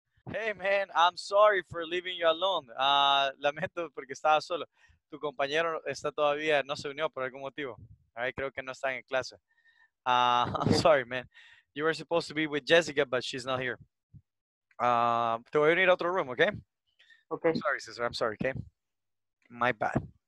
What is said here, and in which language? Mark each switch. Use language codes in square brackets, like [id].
[en] Hey, man, I'm sorry for leaving you alone. [es] Lamento porque estaba solo. Tu compañero está todavía, no se unió por algún motivo. [en] All right, [es] creo que no está en clase. [en] I'm sorry, man. You were supposed to be with Jessica, but she's not here. [es] Te voy a unir a otro room, okay? [en] Okay. Sorry, sister. I'm sorry, okay? My bad.